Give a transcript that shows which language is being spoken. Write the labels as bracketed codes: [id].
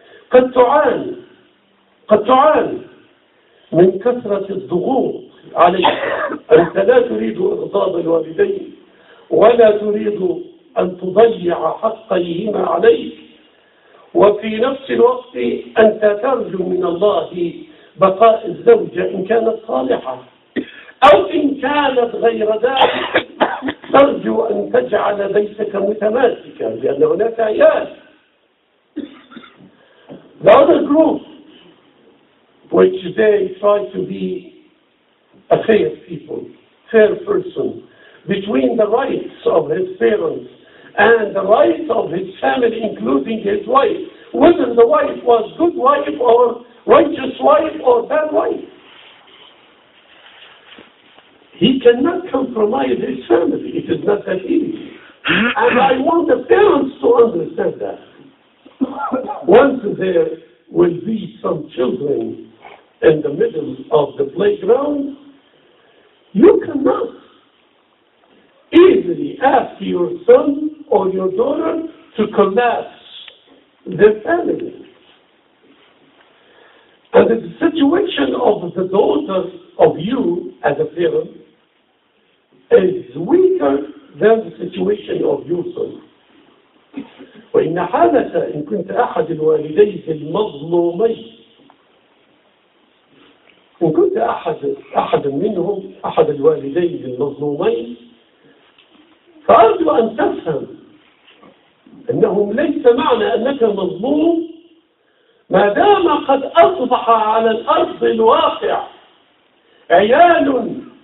[ar] قد تعاني من كثرة الضغوط عليك، أنت لا تريد إغضاب الوالدين ولا تريد أن تضيع حقيهما عليك، وفي نفس الوقت أنت ترجو من الله بقاء الزوجة إن كانت صالحة أو إن كانت غير ذلك، ترجو أن تجعل بيتك متماسكا لأن هناك عيال. [en] The other group, which they try to be a fair people, fair person, between the rights of his parents and the rights of his family, including his wife, whether the wife was good wife or righteous wife or bad wife, he cannot compromise his family. It is not that easy. And I want the parents to understand that. Once there will be some children in the middle of the playground, you cannot easily ask your son or your daughter to collapse their family. And the situation of the daughter of you as a parent is weaker than the situation of your son. [ar] وإن حالك إن كنت أحد الوالديك المظلومين، إن كنت أحد منهم، أحد الوالديك المظلومين، فأرجو أن تفهم أنهم ليس معنى أنك مظلوم ما دام قد أصبح على الأرض الواقع عيال